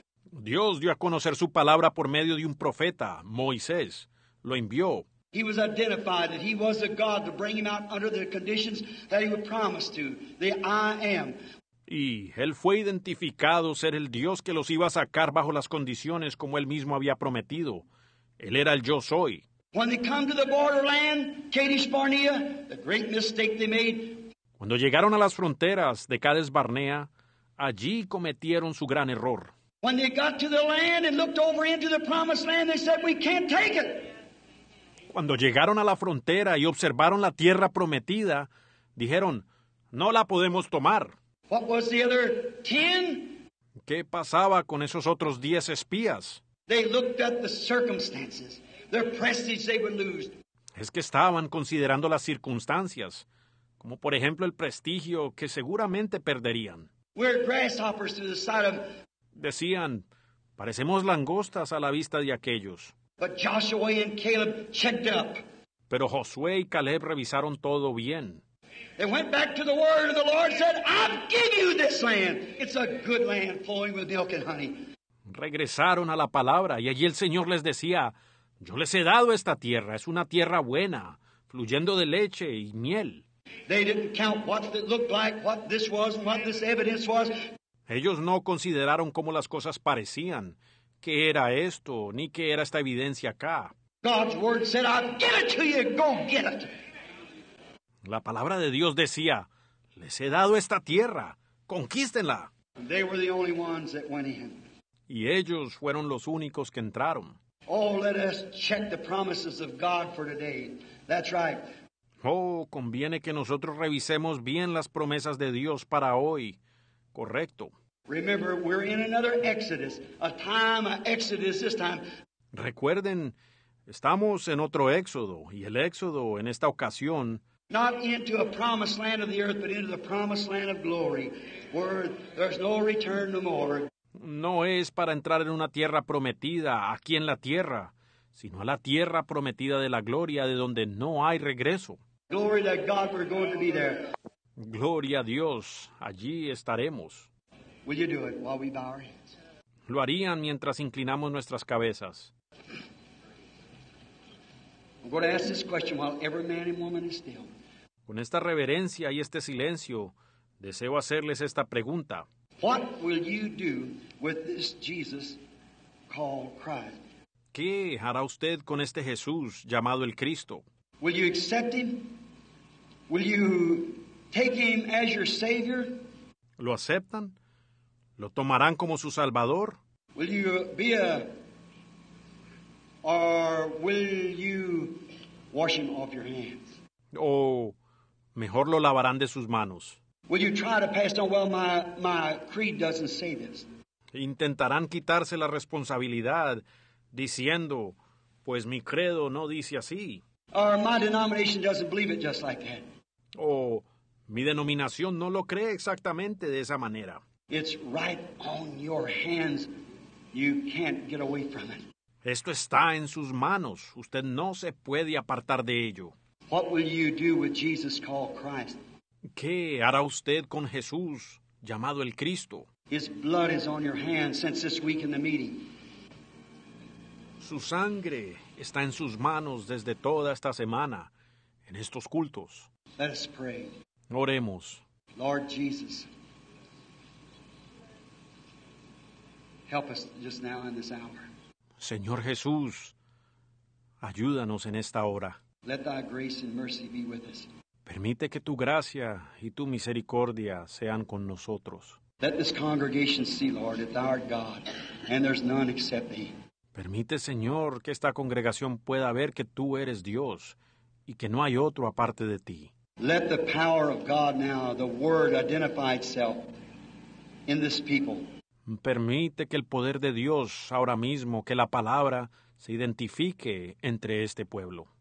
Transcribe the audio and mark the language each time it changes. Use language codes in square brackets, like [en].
[es] Dios dio a conocer su palabra por medio de un profeta, Moisés. Lo envió. [en] He was identified that he was the God to bring him out under the conditions that he would promise to, the I am. [es] Y él fue identificado ser el Dios que los iba a sacar bajo las condiciones como él mismo había prometido. Él era el yo soy. [en] When they come to the borderland, Kadesh Barnea, the great mistake they made. [es] Cuando llegaron a las fronteras de Kadesh Barnea, allí cometieron su gran error. [en] When they got to the land and looked over into the promised land, they said, we can't take it. [es] Cuando llegaron a la frontera y observaron la tierra prometida, dijeron, no la podemos tomar. [en] What was the other 10? [es] ¿Qué pasaba con esos otros 10 espías? [en] They looked at the circumstances, the prestige they would lose. [es] Es que estaban considerando las circunstancias, como por ejemplo el prestigio que seguramente perderían. [en] We're grasshoppers to the sight of. [es] Decían, parecemos langostas a la vista de aquellos. [en] But Joshua and Caleb checked up. [es] Pero Josué y Caleb revisaron todo bien. [en] They went back to the word of the Lord and said, I've given you this land. It's a good land flowing with milk and honey. [es] Regresaron a la palabra y allí el Señor les decía, yo les he dado esta tierra, es una tierra buena, fluyendo de leche y miel. [en] They didn't count what it looked like, what this was, what this evidence was. [es] Ellos no consideraron cómo las cosas parecían, qué era esto, ni qué era esta evidencia acá. [en] God's word said, I'll give it to you, go get it. [es] La palabra de Dios decía, les he dado esta tierra, conquístenla. [en] They were the only ones that went in. [es] Y ellos fueron los únicos que entraron. [en] Oh, let us check the promises of God for today. That's right. [es] Oh, conviene que nosotros revisemos bien las promesas de Dios para hoy. Correcto. [en] Remember, we're in another exodus. A time, an exodus this time. [es] Recuerden, estamos en otro éxodo. Y el éxodo en esta ocasión. [en] Not into a promised land of the earth, but into the promised land of glory. Where there's no return no more. [es] No es para entrar en una tierra prometida aquí en la tierra, sino a la tierra prometida de la gloria de donde no hay regreso. [en] Glory to God, we're going to be there. [es] Gloria a Dios, allí estaremos. [en] Will you do it while we bow our heads? [es] Lo harían mientras inclinamos nuestras cabezas. [en] I'm going to ask this question while every man and woman is still. [es] Con esta reverencia y este silencio, deseo hacerles esta pregunta. [en] What will you do with this Jesus called Christ? [es] ¿Qué hará usted con este Jesús llamado el Cristo? [en] Will you accept him? Will you take him as your savior? [es] ¿Lo aceptan? ¿Lo tomarán como su salvador? [en] Will you be a, or will you wash him off your hands? [es] O mejor lo lavarán de sus manos. [en] Will you try to pass on? Well, my creed doesn't say this. [es] Intentarán quitarse la responsabilidad diciendo, pues mi credo no dice así. [en] Or my denomination doesn't believe it just like that. [es] O mi denominación no lo cree exactamente de esa manera. [en] It's right on your hands. You can't get away from it. [es] Esto está en sus manos. Usted no se puede apartar de ello. [en] What will you do with Jesus called Christ? [es] ¿Qué hará usted con Jesús llamado el Cristo? [en] His blood is on your hands since this week in the meeting. [es] Su sangre está en sus manos desde toda esta semana, en estos cultos. [en] Let us pray. [es] Oremos. [en] Lord Jesus, help us just now in this hour. [es] Señor Jesús, ayúdanos en esta hora. [en] Let thy grace and mercy be with us. [es] Permite que tu gracia y tu misericordia sean con nosotros. [en] Let this congregation see, Lord, that thou art God, and there's none except thee. [es] Permite, Señor, que esta congregación pueda ver que tú eres Dios y que no hay otro aparte de ti. [en] Let the power of God now, the word, identify itself in this people. [es] Permite que el poder de Dios ahora mismo, que la palabra se identifique entre este pueblo.